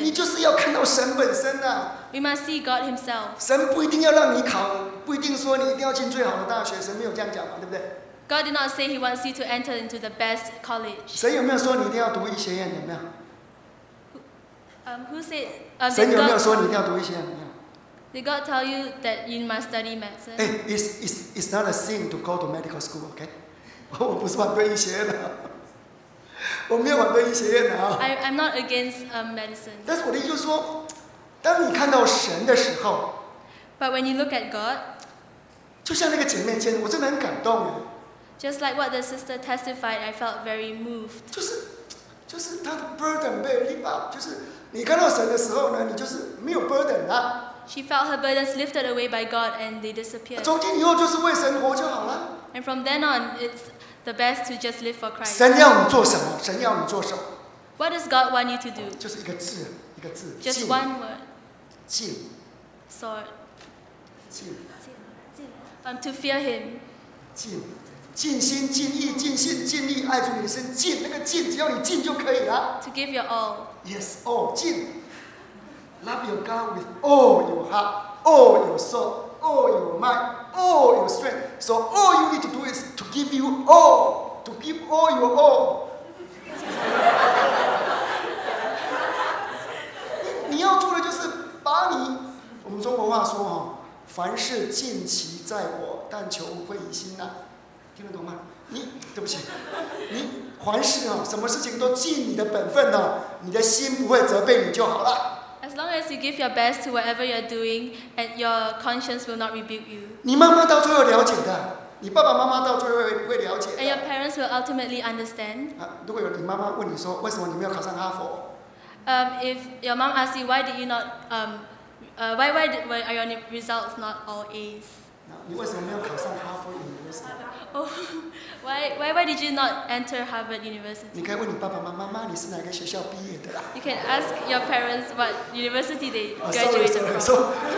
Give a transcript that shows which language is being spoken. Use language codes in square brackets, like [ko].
[zh] 你就是要看到神本身啊。 [en] We must see God Himself. [zh] 神不一定要让你考，不一定说你一定要进最好的大学。神没有这样讲嘛，对不对 [en] ？God did not say He wants you to enter into the best college. [zh] 神有没有说你一定要读医学院？有没有 [en] ？Who said？ [zh] 神有没有说你一定要读医学院？有没有 [en] ？Did God tell you that you must study medicine？哎 ，it's not a sin to go to medical school. Okay， [zh] 我不是反对医学院的。我没有反对医学院的啊。 [en] I'm not against medicine. [zh] 但是我的意思就是说，当你看到神的时候 [en] ，But when you look at God， [zh] 就像那个姐妹见，我真的很感动耶。 [en] Just like what the sister testified, I felt very moved. [zh] 就是她的 burden 被 [en] lift up， [zh] 就是你看到神的时候呢，你就是没有 burden 啦。 [en] She felt her burdens lifted away by God and they disappeared. [zh] 从今以后就是为神活就好了。 [en] And from then on, it's the best to just live for Christ. [zh] 神要你做什么？神要你做什么 [en] ？What does God want you to do？ [zh] 就是一个字。一个字 [en] Just one word. [zh] 敬 [en] Sword. [zh] 敬 [en] To fear him. [zh] 敬尽心尽意尽心尽力爱主你的身尽那个尽只要你尽就可以了 [en] To give your all. Yes, all. [zh] 尽 [en] Love your God with all your heart, all your soul, all your mind, all your strength. So all you need to do is to give you all. To give all your all. [zh] 你要做的就是把你，我们中国话说哈，凡事尽其在我，但求无愧于心呐、啊，听得懂吗？你对不起，你凡事啊，什么事情都尽你的本分呢、啊，你的心不会责备你就好了。 [en] As long as you give your best to whatever you're doing, and your conscience will not rebuke you. [zh] 你妈妈到最后了解的，你爸爸妈妈到最后会了解的。 [en] And your parents will ultimately understand. [zh] 啊，如果有你妈妈问你说，为什么你没有考上哈佛？ [en] If your mom asks you why did you not why are your results not all A's? [zh] 你为什么没有考上哈佛 University? [en] Why did you not enter Harvard University? [zh] 你可以问你爸爸妈妈，妈你是哪个学校毕业的啦 [en] ？You can ask your parents what university they graduated from.